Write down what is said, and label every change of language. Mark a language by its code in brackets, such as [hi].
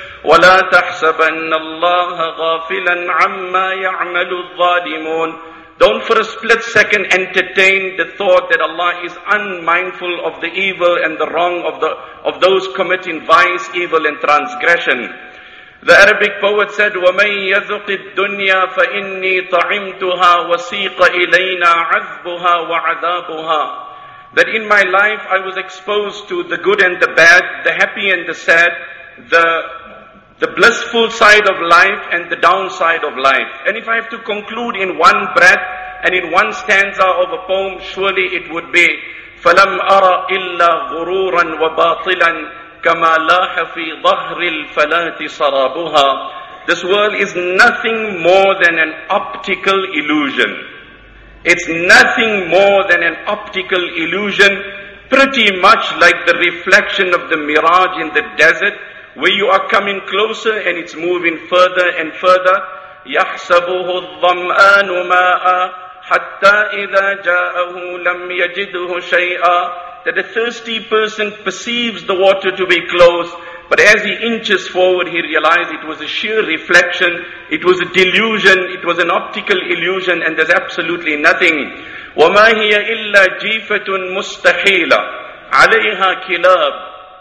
[ar] وَلَا تَحْسَبَنَّ اللَّهَ غَافِلًا عَمَّا يَعْمَلُ الظَّالِمُونَ. [en] Don't for a split second entertain the thought that Allah is unmindful of the evil and the wrong of those committing vice, evil and transgression. The Arabic poet said, [ar] وَمَنْ يَذُقِ الدُّنْيَا فَإِنِّي طَعِمْتُهَا وَسِيقَ إِلَيْنَا عَذْبُهَا وَعَذَابُهَا. [en] That in my life I was exposed to the good and the bad, the happy and the sad, the blissful side of life and the downside of life. And if I have to conclude in one breath and in one stanza of a poem, surely it would be, [ar] فَلَمْ أَرَ إِلَّا غُرُورًا وَبَاطِلًا كَمَا لَاحَ فِي ظَهْرِ الْفَلَاةِ سَرَابُهَا. [en] This world is nothing more than an optical illusion. It's nothing more than an optical illusion, pretty much like the reflection of the mirage in the desert, where you are coming closer and it's moving further and further. [ar] يَحْسَبُهُ الظَّمْآنُ مَاءً حَتَّى إِذَا جَاءَهُ لَمْ يَجِدُهُ شَيْئًا. [en] That a thirsty person perceives the water to be close, but as he inches forward, he realizes it was a sheer reflection, it was a delusion, it was an optical illusion, and there's absolutely nothing. [ar] وَمَا هِيَ إِلَّا جِيفَةٌ مُسْتَحِيلَةٌ عَلَيْهَا كِلَابٌ.